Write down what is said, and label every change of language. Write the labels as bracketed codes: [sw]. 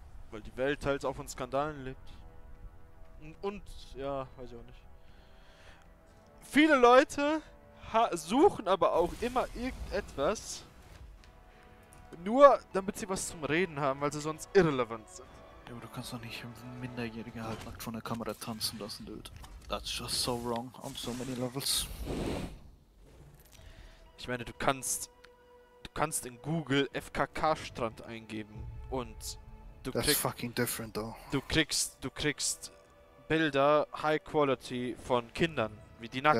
[de] Weil die Welt teils auch von Skandalen lebt. Und ja, weiß ich auch nicht. Viele Leute suchen aber auch immer irgendetwas, nur damit sie was zum Reden haben, weil sie sonst irrelevant sind. Ja, aber du kannst doch nicht Minderjährige halt nackt vor der Kamera tanzen lassen, dude. [en] That's just so wrong on so many levels. [de] Ich meine, du kannst in Google FKK-Strand eingeben und du kriegst... [en] That's fucking different, though. [de] Du kriegst Bilder, high quality, von Kindern, wie die nackt